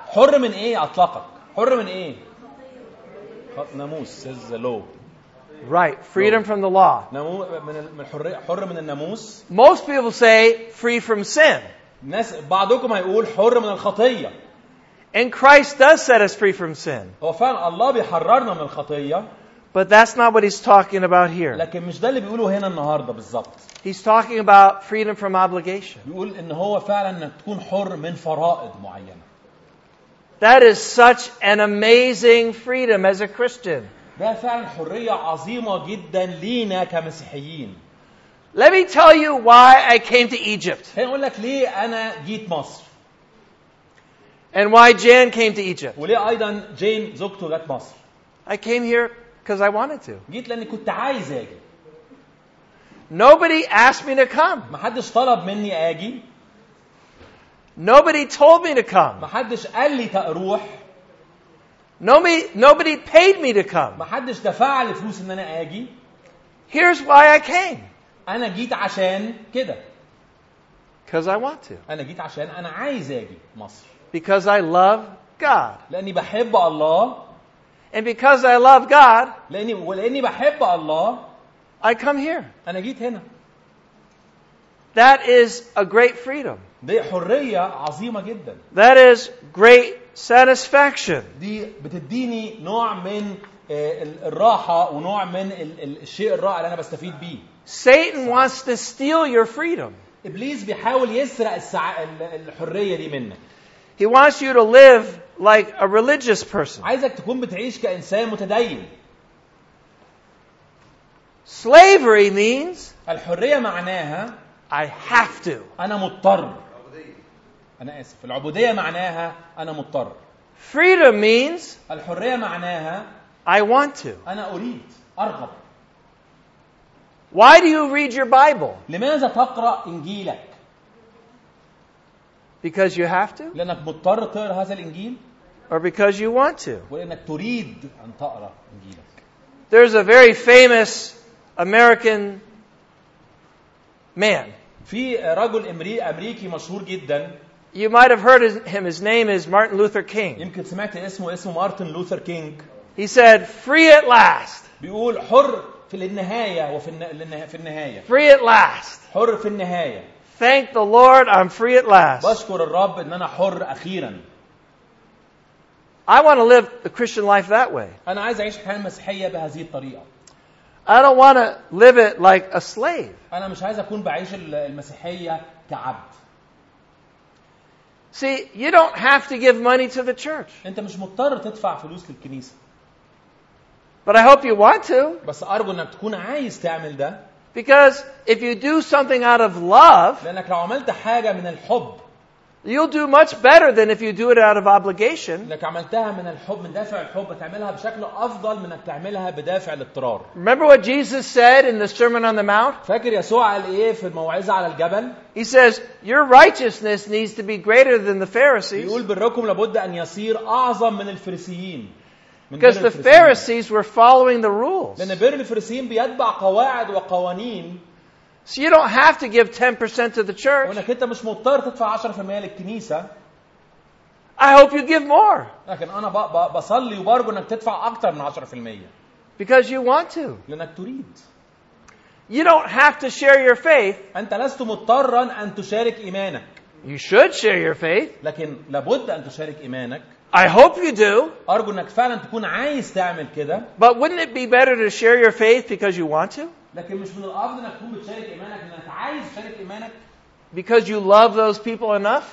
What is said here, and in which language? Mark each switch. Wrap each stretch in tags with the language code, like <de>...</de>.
<ar>حر من إيه أطلقك؟ حر من إيه؟ ناموس</ar> <en>says the law. Right, freedom from the law.</en> <ar>حر من الناموس.</ar> <en>Most people say free from sin.</en> <ar>ناس بعضكم هيقول حر من الخطية.</ar> <en>And Christ does set us free from sin.</en> <ar>هو فعلا الله بيحررنا من الخطية.</ar> <en>But that's not what he's talking about here.</en> <ar>لكن مش ده اللي بيقوله هنا النهاردة بالضبط.</ar> <en>He's talking about freedom from obligation.</en> <ar>بيقول إن هو فعلا إنك تكون حر من فرائض معينة.</ar> <en>That is such an amazing freedom as a Christian.</en> <ar>ده فعلا حرية عظيمة جدا لينا كمسيحيين.</ar> <en>Let me tell you why I came to Egypt.</en> <ar>هقول لك ليه أنا جيت مصر.</ar> <en>And why Jan came to Egypt.</en> <ar>وليه أيضا جين زوجته جت مصر.</ar> <en>I came here because I wanted to.</en> <ar>جيت لأني كنت عايز أجي.</ar> <en>Nobody asked me to come.</en> <ar>ما حدش طلب مني أجي.</ar> <en>Nobody told me to come.</en> <ar>ما حدش قال لي تروح.</ar> <en>Nobody paid me to come.</en> <ar>ما حدش دفع لي فلوس ان انا اجي.</ar> <en>Here's why I came.</en> <ar>انا جيت عشان كده.</ar> <en>Because I want to.</en> <ar>انا جيت عشان انا عايز اجي مصر.</ar> <en>Because I love God.</en> <ar>لاني بحب الله.</ar> <en>And because I love God.</en> <ar>لاني بحب الله.</ar> <en>I come here.</en> <ar>انا جيت هنا.</ar> <en>That is a great freedom.</en> <ar>دي حرية عظيمة جدا.</ar> <en>That is great satisfaction.</en> <ar>دي بتديني نوع من الراحة ونوع من الشيء الرائع اللي أنا بستفيد بيه.</ar> <en>Satan wants to steal your freedom.</en> <ar>إبليس بيحاول يسرق الحرية دي منك.</ar> <en>He wants you to live like a religious person.</en> <ar>عايزك تكون بتعيش كإنسان متدين.</ar> <en>Slavery means</en> <ar>الحرية معناها</ar> <en>I have to.</en> <ar>أنا مضطر. أنا آسف. العبودية معناها أنا مضطر.</ar> <en>Freedom means</en> <ar>الحرية معناها</ar> <en>I want to.</en> <ar>أنا أريد. أرغب.</ar> <en>Why do you read your Bible?</en> <ar>لماذا تقرأ إنجيلك؟</ar> <en>Because you have to.</en> <ar>لأنك مضطر تقرأ هذا الإنجيل.</ar> <en>Or because you want to.</en> <ar>ولأنك تريد أن تقرأ إنجيلك.</ar> <en>There's a very famous American man.</en> <ar>في رجل أمريكي مشهور جدا.</ar> <en>You might have heard him. His name is Martin Luther King.</en> <ar>يمكن سمعت اسمه مارتن لوثر كينج.</ar> <en>He said, "Free at last."</en> <ar>بيقول حر في النهاية وفي النهاية.</ar> <en>Free at last.</en> <ar>حر في النهاية.</ar> <en>Thank the Lord, I'm free at last.</en> <ar>بشكر الرب إن أنا حر أخيراً.</ar> <en>I want to live the Christian life that way.</en> <ar>أنا عايز أعيش حياة مسيحية بهذه الطريقة.</ar> <en>I don't want to live it like a slave.</en> <ar>أنا مش عايز أكون بعيش المسيحية كعبد.</ar> <en>See, you don't have to give money to the church.</en> <ar>أنت مش مضطر تدفع فلوس للكنيسة.</ar> <en>But I hope you want to.</en> <ar>بس أرجو إنك تكون عايز تعمل ده.</ar> <en>Because if you do something out of love,</en> <ar>لأنك لو عملت حاجة من الحب,</ar> <en>you'll do much better than if you do it out of obligation.</en> <ar>لأنك عملتها من الحب, من دافع الحب, تعملها بشكل أفضل من أنك تعملها بدافع الاضطرار.</ar> <en>Remember what Jesus said in the Sermon on the Mount?</en> <ar>فاكر يسوع قال إيه في الموعظة على الجبل؟</ar> <en>He says, "Your righteousness needs to be greater than the Pharisees."</en> <ar>يقول بركم لابد أن يصير أعظم من الفريسيين.</ar> <en>Because the Pharisees were following the rules.</en> <ar>لأن بر الفريسيين بيتبع قواعد وقوانين.</ar> <en>So you don't have to give 10% to the church.</en> <ar>وإنك أنت مش مضطر تدفع 10% للكنيسة.</ar> <en>I hope you give more.</en> <ar>لكن أنا بصلي وبرجو إنك تدفع أكتر من 10%.</ar> <en>Because you want to.</en> <ar>لأنك تريد.</ar> <en>You don't have to share your faith.</en> <ar>أنت لست مضطرا أن تشارك إيمانك.</ar> <en>You should share your faith.</en> <ar>لكن لابد أن تشارك إيمانك.</ar> <en>I hope you do.</en> <ar>أرجو أنك فعلا تكون عايز تعمل كده.</ar> <en>But wouldn't it be better to share your faith because you want to?</en> <ar>لكن مش من الأفضل أنك تكون بتشارك إيمانك لأنك عايز تشارك إيمانك.</ar> <en>Because you love those people enough.</en>